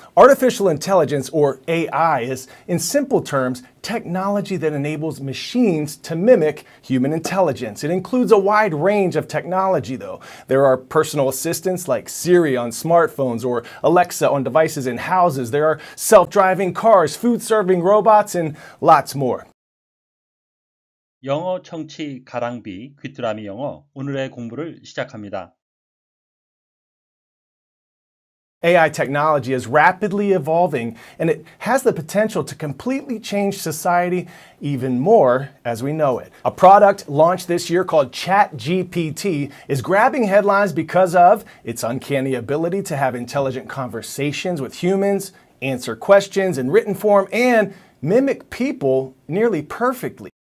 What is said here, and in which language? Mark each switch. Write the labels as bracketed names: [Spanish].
[English] Artificial intelligence, or AI, is, in simple terms, technology that enables machines to mimic human intelligence. It includes a wide range of technology, though. There are personal assistants like Siri on smartphones or Alexa on devices in houses. There are self-driving cars, food-serving robots, and lots more. [Korean] 영어 청취 가랑비 귀뚜라미 영어 오늘의 공부를 시작합니다. [English] AI technology is rapidly evolving, and it has the potential to completely change society even more as we know it. A product launched this year called ChatGPT is grabbing headlines because of its uncanny ability to have intelligent conversations with humans, answer questions in written form, and mimic people nearly perfectly.